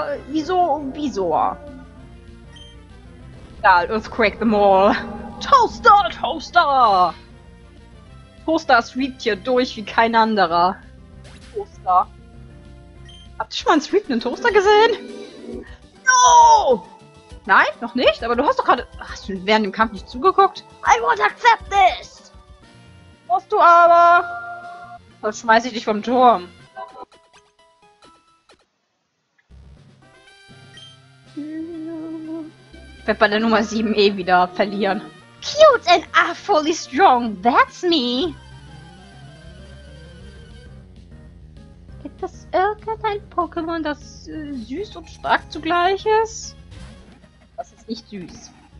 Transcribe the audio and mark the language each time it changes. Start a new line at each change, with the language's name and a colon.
German: Egal,
English: Earthquake them all. Toaster!
German: Toaster sweept hier durch wie kein anderer. Toaster. Habt ihr schon mal einen sweependen Toaster gesehen?
English: No!
German: Nein, noch nicht, aber du hast doch gerade. Hast du während dem Kampf nicht zugeguckt?
English: I won't accept this!
German: Musst du aber! Sonst schmeiß ich dich vom Turm. Ich werde bei der Nummer 7 eh wieder verlieren.
English: Cute and awfully strong, that's me!
German: Gibt es irgendein Pokémon, das süß und stark zugleich ist? Das ist nicht süß.